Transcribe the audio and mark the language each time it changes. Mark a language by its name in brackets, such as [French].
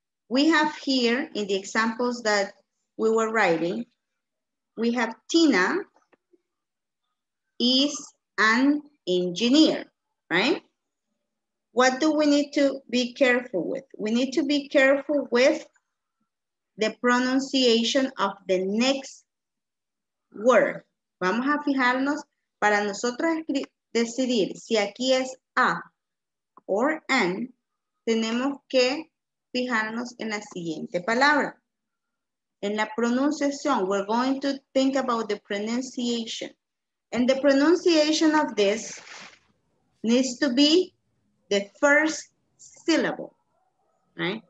[English] We have here, in the examples that we were writing, we have Tina is an engineer, right? What do we need to be careful with? We need to be careful with the pronunciation of the next word. [Spanish] Vamos a fijarnos para nosotros decidir si aquí es a or an, tenemos que fijarnos en la siguiente palabra. En la pronunciación, [English] we're going to think about the pronunciation. And the pronunciation of this needs to be the first syllable, right?